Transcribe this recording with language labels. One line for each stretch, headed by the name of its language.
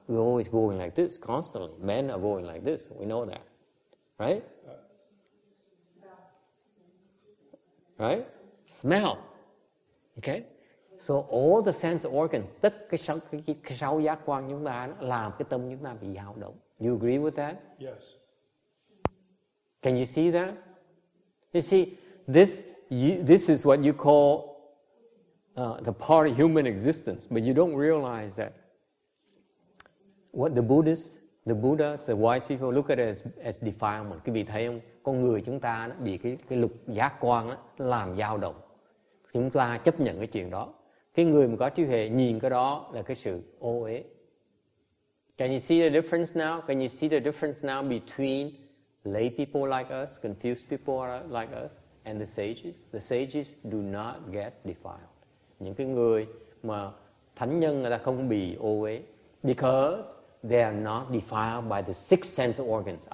English: We're always going like this constantly. Men are going like this. We know that. Right? Right? Smell. Okay? So all the sense organ,
Vietnamese: tất cái sáu giác quan chúng ta làm cái tâm chúng ta bị dao động.
English: You agree with that? Yes. Can you see that? You see, this is what you call the part of human existence, but you don't realize that what the Buddhas, the wise people look at it as defilement.
Vietnamese: Quý vị thấy không? Con người chúng ta nó bị cái lục giác quan đó, làm dao động. Chúng ta chấp nhận cái chuyện đó. Cái người mà có trí huệ nhìn cái đó là cái sự ô uế.
English: Can you see the difference now? Can you see the difference now between lay people like us, confused people like us, and the sages? The sages do not get defiled.
Vietnamese: Những cái người mà thánh nhân người ta không bị ô uế,
English: because they are not defiled by the six sense organs.